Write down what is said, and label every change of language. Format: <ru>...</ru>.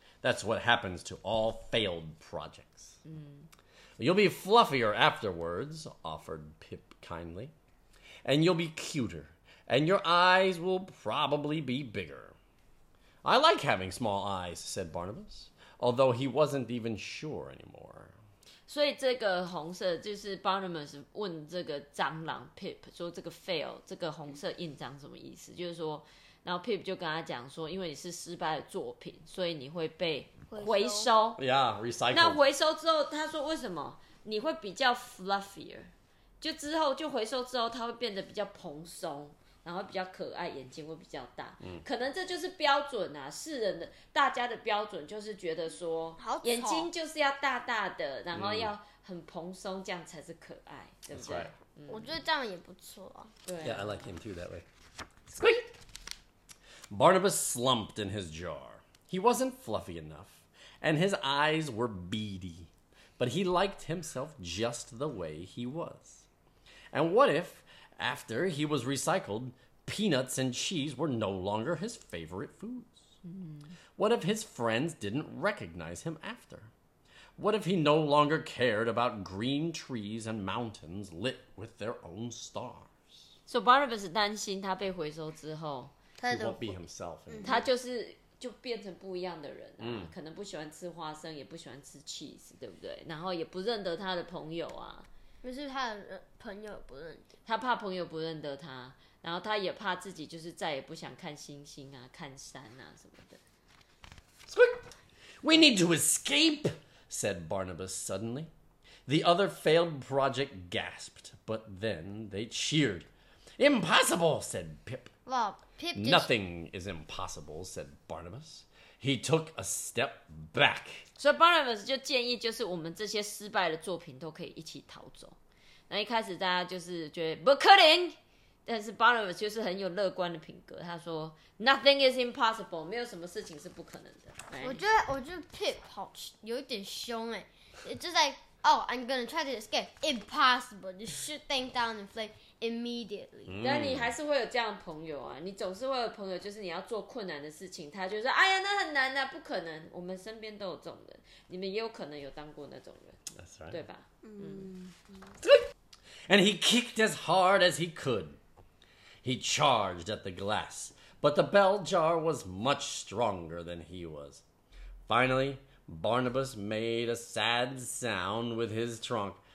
<en>That's what happens to all failed projects.、Mm. You'll be fluffier afterwards, offered Pip kindly. And you'll be cuter, and your eyes will probably be bigger. I like having small eyes, said Barnabus, although he wasn't even sure anymore.</en> <zh>所以这个红色就是 Barnabas 问这个蟑螂 Pip 说这个 fail 这个红色印章什么意思，就是说然后 Pip 就跟他讲说因为你是失败的作品所以你会被回收</zh> <en>yeah recycle</en> <zh>那回收之后他说为什么你会比较 fluffier 就之后就回收之后他会变得比较蓬松然后比较可爱眼睛会比较大、嗯、可能这就是标准啊世人的大家的标准就是觉得说好眼睛就是要大大的然后要很蓬松这样才是可爱、嗯、对不对、</zh> <en>right.</en> <zh>嗯、我觉得这样也不错啊对</zh> <en>Yeah, I like him too that way Squeak! Barnabas slumped in his jar He wasn't fluffy enough And his eyes were beady But he liked himself just the way he was And what ifAfter he was recycled, peanuts and cheese were no longer his favorite foods.、 Mm-hmm. What if his friends didn't recognize him after? What if he no longer cared about green trees and mountains lit with their own stars?</en> <zh>So Barnabas 担心他被回收之后</zh> <en>He won't be himself.、 Mm-hmm.</en> <zh>他就是就变成不一样的人、啊 mm-hmm. 可能不喜欢吃花生也不喜欢吃 cheese, 对不对然后也不认得他的朋友啊可是他的朋友不认得他怕朋友不认得他然后他也怕自己就是再也不想看星星啊看山啊什么的</zh> <en>We need to escape said Barnabas suddenly The other failed project gasped but then they cheered Impossible said Pip Well Pip just... Nothing is impossible said Barnabas He took a step back.</en> <zh>So Barnabas 就建议就是我们这些失败的作品都可以一起逃走。那一开始大家就是觉得不可能，但是 Barnabas 就是很有乐观的品格，他说</zh> <en>Nothing is impossible，</en> <zh>没有什么事情是不可能的。我觉得 Pip 好有一点凶哎、欸，就在</zh> <en>Oh I'm gonna try to escape. Impossible. Just shoot things down and fly. Immediately、</en> <zh>嗯、但你还是会有这样的朋友啊你总是会有朋友就是你要做困难的事情他就说哎呀那很难啊不可能我们身边都有这种人你们也有可能有当过那种人</zh> <en>That's right.</en> <zh>对吧、嗯、</zh> <en>And he kicked as hard as he could He charged at the glass But the bell jar was much stronger than he was Finally Barnabas made a sad sound with his trunk</en>